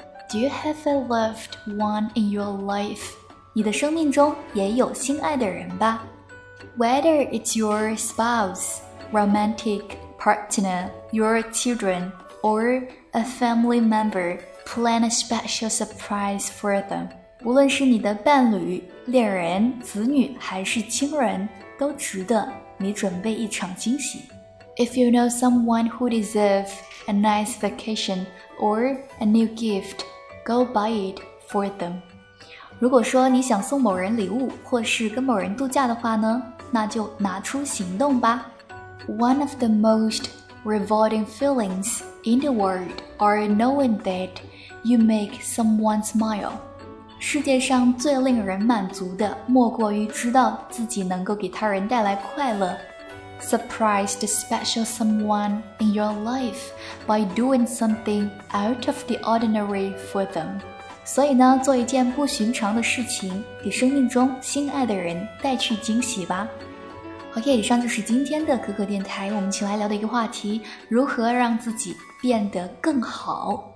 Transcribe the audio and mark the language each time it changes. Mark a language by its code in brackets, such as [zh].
[en] Do you have a loved one in your life？ [zh] 你的生命中也有心爱的人吧。 [en] Whether it's your spouse, romantic partner, your children, or a family memberPlan a special surprise for them. [zh] 无论是你的伴侣、恋人、子女还是亲人，都值得你准备一场惊喜。 [en] If you know someone who deserves a nice vacation or a new gift, go buy it for them. [zh] 如果说你想送某人礼物或是跟某人度假的话呢，那就拿出行动吧。 [en] One of the most revolting feelings in the world are knowing thatYou make someone smile. [zh] 世界上最令人满足的莫过于知道自己能够给他人带来快乐。 [en] Surprise the special someone in your life by doing something out of the ordinary for them. [zh] 所以呢，做一件不寻常的事情，给生命中心爱的人带去惊喜吧。 OK， 以上就是今天的可可电台，我们一起来聊的一个话题，如何让自己变得更好。